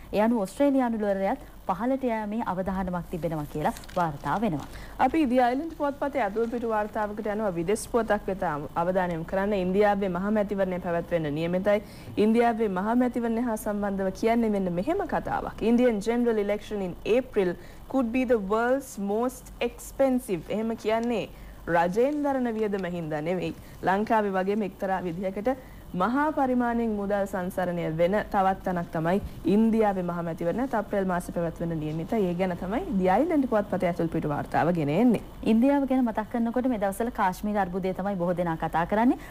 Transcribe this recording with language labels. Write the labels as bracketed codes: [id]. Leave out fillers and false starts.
[si] ඒ අනුව ඔස්ට්‍රේලියානු ඩොලරයත් පහළට යෑමේ අවධානමක් තිබෙනවා කියලා වාර්තා වෙනවා. අපි ඉදි අයලන්ඩ් පොත්පතේ අදුව පිටු වාර්තාවකට යනවා. විදේශ පොතක් වෙත අවධානය යොමු කරන්න ඉන්දියාවේ මහමැතිවරණය පැවැත්වෙන්න නියමිතයි. ඉන්දියාවේ මහමැතිවරණය හා සම්බන්ධව කියන්නේ මෙන්න මෙහෙම කතාවක්. [en] Indian general election in April could be the world's most expensive. [si] එහෙම කියන්නේ රජයෙන් දරන වියදම හින්දා නෙවෙයි, ලංකාවේ වගේම එක්තරා විදිහකට මහා පරිමාණයෙන් මුදල් සංසරණය වෙන තවත් තැනක් තමයි ඉන්දියාවේ මහමැතිවරණ අප්‍රේල් මාසේ පැවැත්වෙන නියමිත. ඒ ගැන තමයි දි අයිලන්ඩ් පුවත්පතේ ඇතුළු පිටු වාර්තාව ගෙන එන්නේ. ඉන්දියාව ගැන මතක් කරනකොට මේ දවස්වල කාශ්මීර අර්බුදය තමයි බොහෝ දෙනා කතා කරන්නේ.